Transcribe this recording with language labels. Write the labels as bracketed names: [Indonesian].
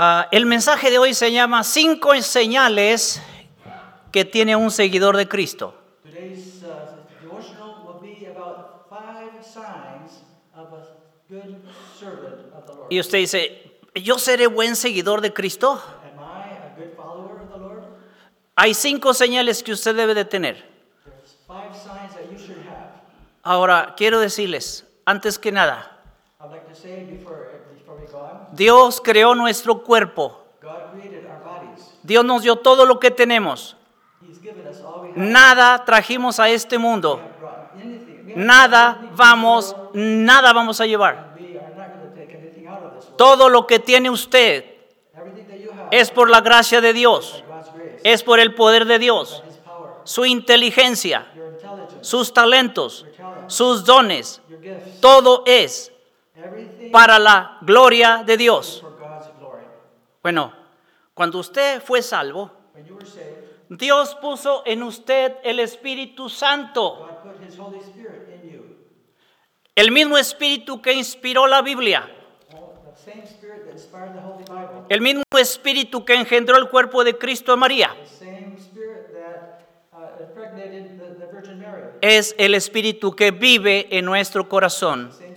[Spanish] El mensaje de hoy se llama Cinco señales que tiene un seguidor de Cristo. [English] Today's devotional will be about five signs of a good servant of the Lord. [Spanish] Y usted dice, ¿yo seré buen seguidor de Cristo? [English] Am I a good follower of the Lord? [Spanish] Hay cinco señales que usted debe de tener. [English] There's five signs that you should have. [Spanish] Ahora, quiero decirles, antes que nada, [English] I'd like to say before we go on, [Spanish] Dios creó nuestro cuerpo. [English] God created our bodies. [Spanish] Dios nos dio todo lo que tenemos. [English] He's given us all we have. [Spanish] Nada trajimos a este mundo. [English] We have brought anything. [Spanish] Nada vamos a llevar. [English] And we are not going to take anything out of this world. [Spanish] Todo lo que tiene usted, [English] everything that you have, [Spanish] es por la gracia de Dios. [English] By God's grace, [Spanish] es por el poder de Dios. [English] By his power, [Spanish] su inteligencia. [English] Your intelligence, [Spanish] sus talentos. [English] Your talent, [Spanish] sus dones. [English] Gifts. [Spanish] Todo es para la gloria de Dios. Bueno, cuando usted fue salvo, [English] when you were saved, [Spanish] Dios puso en usted el Espíritu Santo. [English] God put his Holy Spirit in you. [Spanish] El mismo Espíritu que inspiró la Biblia. [English] Well, the same Spirit that inspired the Holy Bible. [Spanish] El mismo Espíritu que engendró el cuerpo de Cristo a María. [English] The same Spirit that impregnated the Virgin Mary. [Spanish] Es el Espíritu que vive en nuestro corazón.